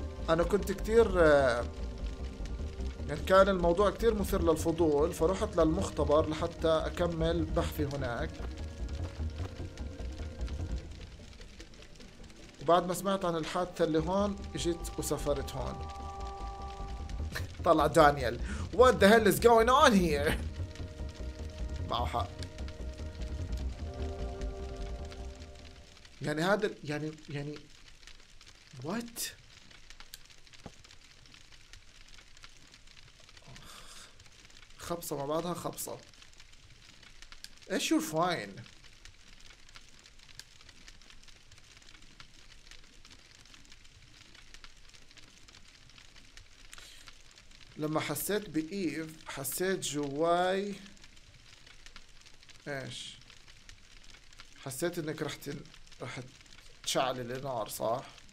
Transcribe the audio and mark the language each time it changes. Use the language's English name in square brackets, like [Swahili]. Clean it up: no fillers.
[Arabic] أنا كنت كتير يعني كان الموضوع كتير مثير للفضول، فروحت للمختبر لحتى أكمل بحثي هناك. وبعد ما سمعت عن الحادثة اللي هون اجيت وسافرت هون. طلع دانيال [English] What the hell is going on here؟ [Arabic] معه حق. يعني هذا يعني [English] What؟ [Arabic] خبصة مع بعضها خبصة. ايش [English] You're fine? [Arabic] لما حسيت بإيف حسيت جواي ايش؟ حسيت انك رح تشعل النار صح؟